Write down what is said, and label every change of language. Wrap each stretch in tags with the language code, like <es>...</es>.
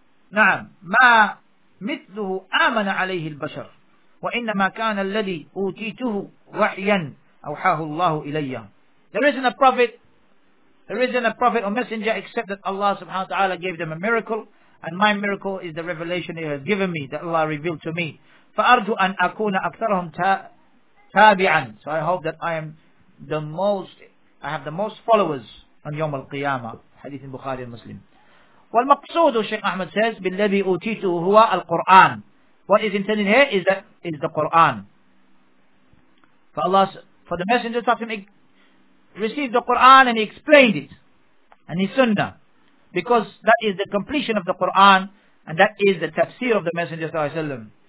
<ar>نعم ما مثله آمن عليه البشر وإنما كان الذي أوتيته وحيا أوحاه الله إلي.</ar> <en>There isn't a prophet. There isn't a prophet or messenger except that Allah subhanahu wa ta'ala gave them a miracle, and my miracle is the revelation He has given me, that Allah revealed to me.</en> <ar>فَأَرْجُ أَنْ أَكُونَ أَكْثَرَهُمْ تَابِعًا.</ar> <en>So I hope that I have the most followers on يوم القيامة. Hadith in Bukhari and Muslim.</en> <ar>والمقصود,</ar> <en>Sheikh Ahmed says,</en> <ar>بِالَّذِي أُوتِيتُهُ هُوَ الْقُرْآنِ.</ar> <en>What is intended here is the Qur'an. For the Messenger of Allah received the Qur'an and he explained it, and his sunnah, because that is the completion of the Qur'an, and that is the tafsir of the Messenger of Allah.</en>